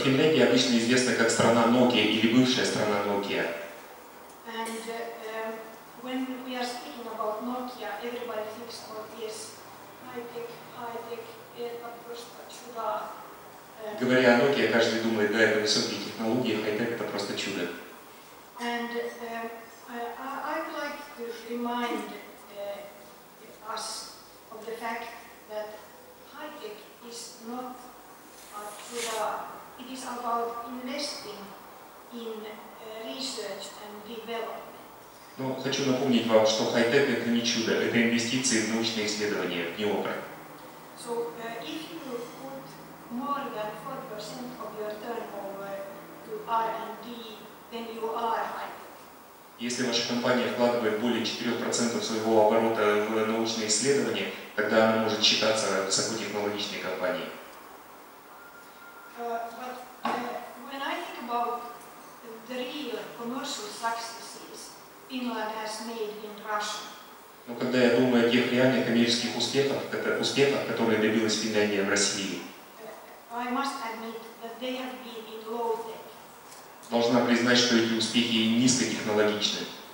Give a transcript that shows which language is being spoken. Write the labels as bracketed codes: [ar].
[ru] Финляндия обычно известна как страна Nokia или бывшая страна Nokia. [en] And when we are speaking about Nokia, everybody thinks about this high-tech, [ru] это просто чудо. Говоря о Nokia, каждый думает, да, это высокие технологии, high-tech — это просто чудо. [en] And I'd like to remind us of the fact that high-tech is not a чудо. It is about investing in research and development. [ru] Ну, хочу напомнить вам, что хай-тек — это не чудо, это инвестиции в научные исследования, в НИОКР. [en] So, if you put more than 4% of your turnover to R&D, then you are high-tech. [ru] Если ваша компания вкладывает более 4% своего оборота в научные исследования, исследование, тогда оно может считаться высокотехнологичной компанией. [en] When I think about the real commercial successes Finland has made in Russia. [ru] Но когда я думаю о тех реальных коммерческих успехах, успехах, которые добилась Финляндия в России, [en] I must admit that they have been in low tech. [ru] Должна признать, что эти успехи низкотехнологичны.